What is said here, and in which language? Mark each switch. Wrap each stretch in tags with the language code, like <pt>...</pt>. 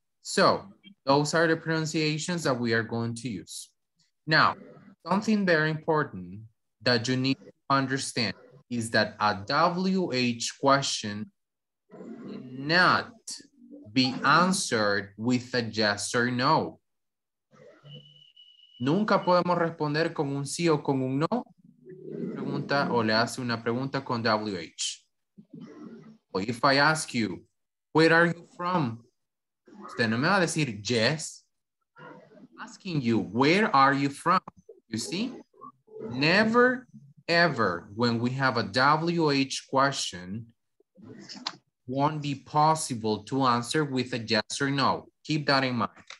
<en>So, those are the pronunciations that we are going to use. Now, something very important that you need to understand is that a WH question cannot be answered with a yes or no.</en> <es>Nunca podemos responder con un sí o con un no. Pregunta o le hace una pregunta con WH.</es> <en>Well, if I ask you, where are you from?</en> <es>Usted no me va a decir yes.</es> <en>I'm asking you, where are you from? You see? Never, ever, when we have a WH question, won't be possible to answer with a yes or no. Keep that in mind.</en>